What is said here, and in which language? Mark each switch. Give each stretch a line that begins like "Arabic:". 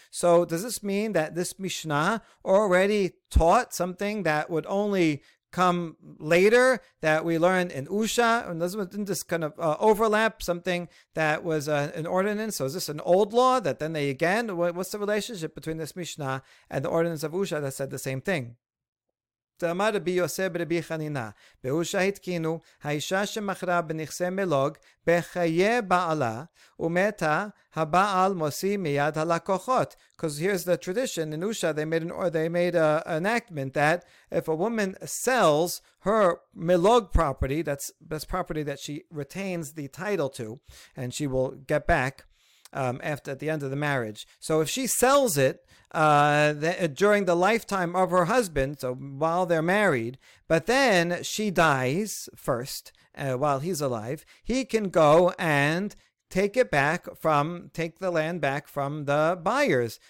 English: So does this mean that this Mishnah already taught something that would only come later, that we learned in Usha? And doesn't this kind of overlap something that was an ordinance? So is this an old law that then they again, what's the relationship between this Mishnah and the ordinance of Usha that said the same thing?
Hebrew: אמר רבי יוסף ברבי חנינה, באושה התקינו, האישה שמכרה בנכסי מלוג, בחיי בעלה, ומתה, הבעל מוסי מיד הלקוחות.
English: Because here's the tradition in Usha, they made an enactment that if a woman sells her milog property, that's property that she retains the title to, and she will get back after at the end of the marriage. So if she sells it during the lifetime of her husband, so while they're married, but then she dies first while he's alive, he can go and take the land back from the buyers.